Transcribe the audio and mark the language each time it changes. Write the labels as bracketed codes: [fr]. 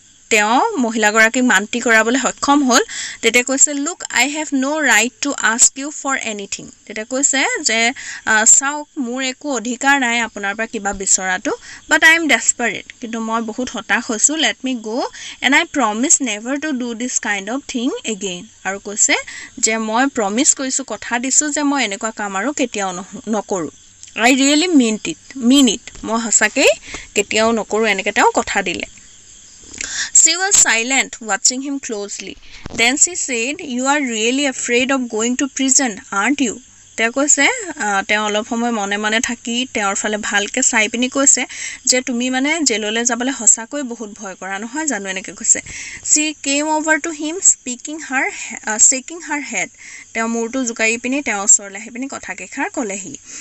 [as] তেওঁ মহিলাগৰাকীক মান্তি কৰাবলৈ সক্ষম হ'ল, তেতিয়া কৈছে [en] look I have no' right to ask you for anything, [as] তেতিয়া কৈছে যে চাওক মোৰ একো অধিকাৰ নাই আপোনাৰ পৰা কিবা বিচৰাটো, [en] but I am desperate, [as] কিন্তু মই বহুত হতাশ হৈছোঁ, [en] let me go' and I promise never to do this kind of thing again, [as] আৰু কৈছে যে মই প্ৰমিছ কৰিছোঁ, কথা দিছোঁ যে মই এনেকুৱা কাম আৰু কেতিয়াও নকৰোঁ, [en] I really mean it, [as] মই সঁচাকেই কেতিয়াও নকৰোঁ, এনেকৈ তেওঁ কথা দিলে। [en] She was silent, watching him closely. Then she said, you are really afraid of going to prison, aren't you? [as] তেওঁ কৈছে, তেওঁ অলপ সময় মনে মনে থাকি তেওঁৰ ফালে ভালকৈ চাই পিনি কৈছে যে তুমি মানে জেললৈ যাবলৈ সঁচাকৈ বহুত ভয় কৰা নহয় জানো, এনেকৈ কৈছে। [en] she came over to him speaking her shaking her head, [as] তেওঁ মূৰটো জোকাৰি পিনি তেওঁৰ ওচৰলৈ আহি পিনি কথাকেইষাৰ ক'লেহি।